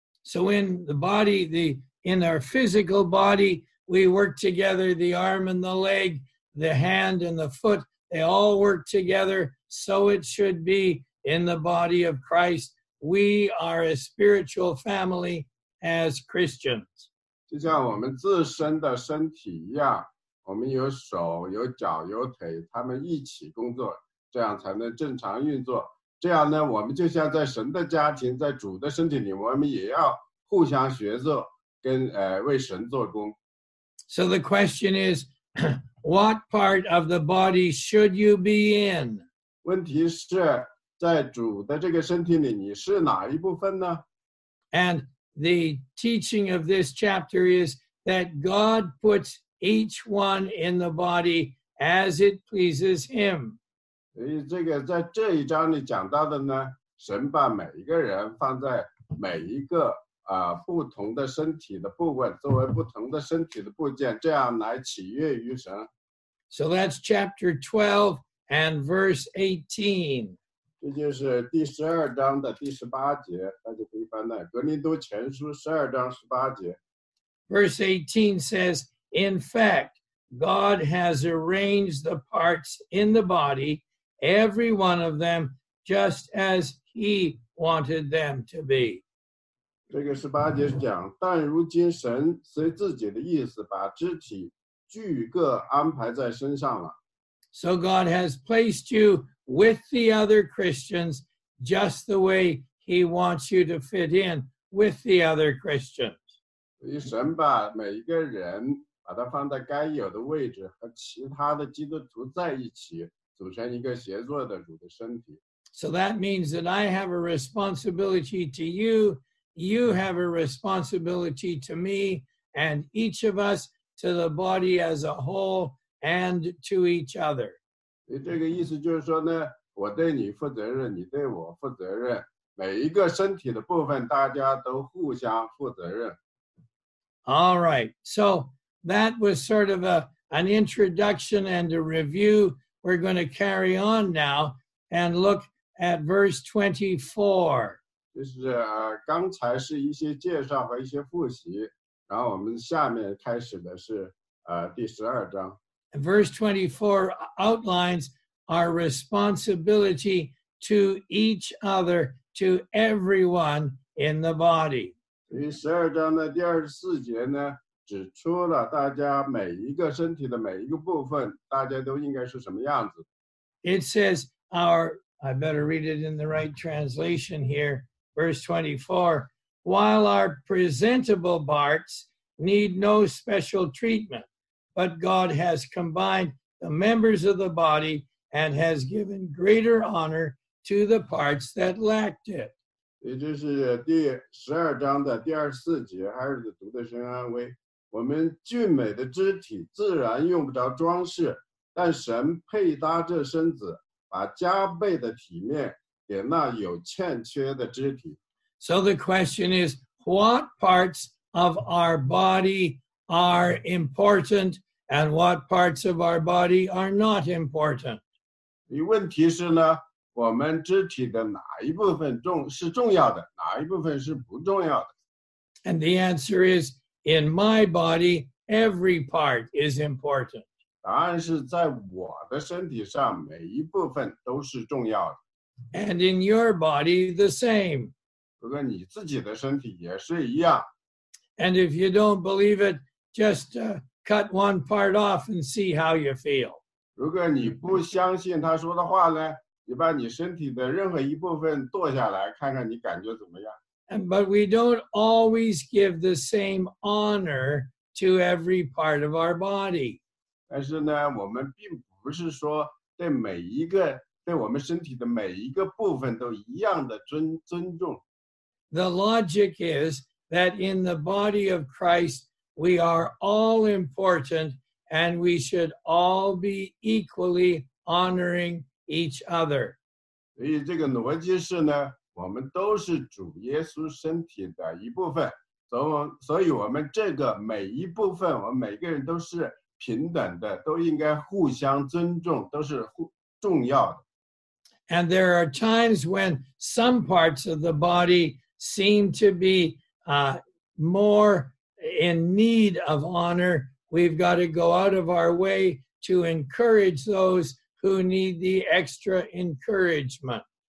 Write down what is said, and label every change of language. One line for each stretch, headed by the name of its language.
English: So in the body, in our physical body, we work together, the arm and the leg, the hand and the foot, they all work together, so it should be in the body of Christ. We are a spiritual family as Christians.
Chinese: 就像我们自身的身体一样，我们有手有脚有腿，他们一起工作，这样才能正常运作。这样呢，我们就像在神的家庭，在主的身体里，我们也要互相协作，跟为神做工。
English: So the question is, what part of the body should you be in?
Chinese: 问题是在主的这个身体里，你是哪一部分呢？
English: And the teaching of this chapter is that God puts each one in the body as it pleases him.
Chinese: 所以这个在这一章里讲到的呢，神把每一个人放在每一个不同的身体的部位，作为不同的身体的部件，这样来取悦于神。
English: So that's chapter 12 and verse 18.
Chinese: 这就是第十二章的第十八节，大家可以翻到《格林多前书》十二章十八节。
English: Verse 18 says, "In fact, God has arranged the parts in the body, every one of them, just as He wanted them to be."
Chinese: 这个十八节讲，但如今神随自己的意思把肢体俱各安排在身上了。
English: So God has placed you with the other Christians just the way He wants you to fit in with the other Christians.
Chinese: 所以神把每一个人把它放在该有的位置，和其他的基督徒在一起，组成一个协作的主的身体。
English: So that means that I have a responsibility to you, you have a responsibility to me, and each of us to the body as a whole and to each other.
Chinese: 这个意思就是说呢，我对你负责任，你对我负责任，每一个身体的部分，大家都互相负责任。
English: All right, so that was sort of an introduction and a review. We're going to carry on now and look at verse 24.
Chinese: 就是刚才是一些介绍和一些复习，然后我们下面开始的是第十二章。
English: Verse 24 outlines our responsibility to each other, to everyone in the body.
Chinese: 所以十二章的第二十四节呢，指出了大家每一个身体的每一个部分，大家都应该是什么样子。
English: It says our, I better read it in the right translation here, verse 24, while our presentable parts need no special treatment, but God has combined the members of the body and has given greater honor to the parts that lacked it.
Chinese: 也就是第十二章的第二十四节，还是读得深安慰。我们俊美的肢体自然用不着装饰，但神配搭这身子，把加倍的体面给那有欠缺的肢体。
English: So the question is, what parts of our body are important and what parts of our body are not important?
Chinese: 问题是呢，我们肢体的哪一部分是重要的，哪一部分是不重要的？
English: And the answer is, in my body, every part is important.
Chinese: 答案是在我的身体上，每一部分都是重要的。
English: And in your body, the same.
Chinese: 不过你自己的身体也是一样。
English: And if you don't believe it, just cut one part off and see how you feel.
Chinese: 如果你不相信他说的话呢，你把你身体的任何一部分剁下来，看看你感觉怎么样。
English: And, but we don't always give the same honor to every part of our body.
Chinese: 但是呢，我们并不是说对每一个，对我们身体的每一个部分都一样的尊重。
English: The logic is that in the body of Christ, we are all important and we should all be equally honoring each other.
Chinese: 所以这个逻辑是呢，我们都是主耶稣身体的一部分，所以我们这个每一部分，我们每个人都是平等的，都应该互相尊重，都是重要的。
English: And there are times when some parts of the body seem to be more in need of honor. We've got to go out of our way to encourage those who need the extra encouragement.